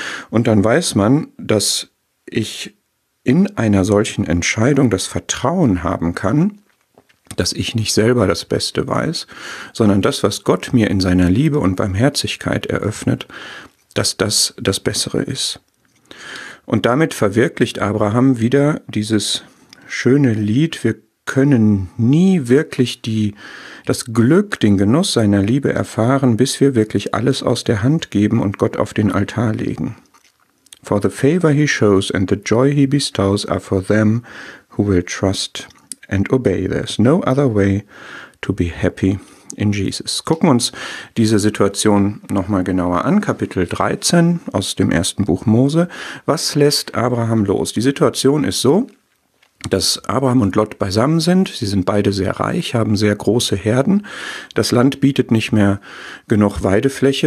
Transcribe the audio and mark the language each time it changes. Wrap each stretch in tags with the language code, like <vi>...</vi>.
<de>Und dann weiß man, dass ich in einer solchen Entscheidung das Vertrauen haben kann, dass ich nicht selber das Beste weiß, sondern das, was Gott mir in seiner Liebe und Barmherzigkeit eröffnet, dass das das Bessere ist. Und damit verwirklicht Abraham wieder dieses schöne Lied: Wir können nie wirklich das Glück, den Genuss seiner Liebe erfahren, bis wir wirklich alles aus der Hand geben und Gott auf den Altar legen.</de> <en>For the favor he shows and the joy he bestows are for them who will trust and obey. There's no other way to be happy in Jesus.</en> <de>Gucken wir uns diese Situation nochmal genauer an. Kapitel 13 aus dem ersten Buch Mose. Was lässt Abraham los? Die Situation ist so, dass Abraham und Lot beisammen sind. Sie sind beide sehr reich, haben sehr große Herden. Das Land bietet nicht mehr genug Weidefläche.</de>